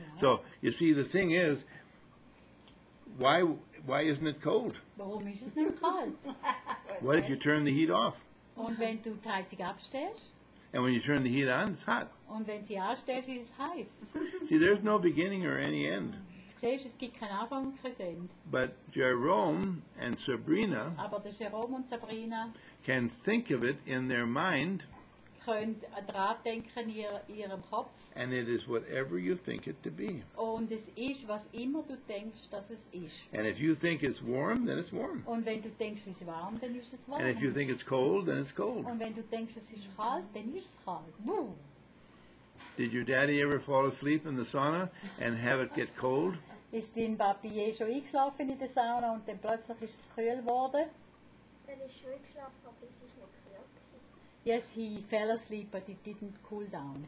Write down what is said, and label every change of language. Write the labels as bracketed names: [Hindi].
[English] So, you see, the thing is, why isn't it cold? [German] Warum ist es nicht kalt? [English] What if you turn the heat off? [German] Und wenn du die Heizung abstellst? [English] And when you turn the heat on, it's hot. [German] Und wenn sie anstellt, ist es heiß. [English] See, there's no beginning or any end. [German] Es gibt keinen Anfang und kein Ende. [English] But Jerome and Sabrina, [German] aber der Jerome und Sabrina [English] can think of it in their mind. [German] Können dran denken in ihrem Kopf. [English] And it is whatever you think it to be. [German] Und es ist, was immer du denkst, dass es ist. [English] And if you think it's warm, then it's warm. [German] Und wenn du denkst, es ist warm, dann ist es warm. [English] And if you think it's cold, then it's cold. [German] Und wenn du denkst, es ist kalt, dann ist es kalt. [English] Boom. Did your daddy ever fall asleep in the sauna and have it get cold? [German] Ist dein Papi je schon eingeschlafen in der Sauna und dann plötzlich ist es kühl geworden? Er ist schon eingeschlafen, aber es ist noch kühl. [English] Yes, he fell asleep, but it didn't cool down.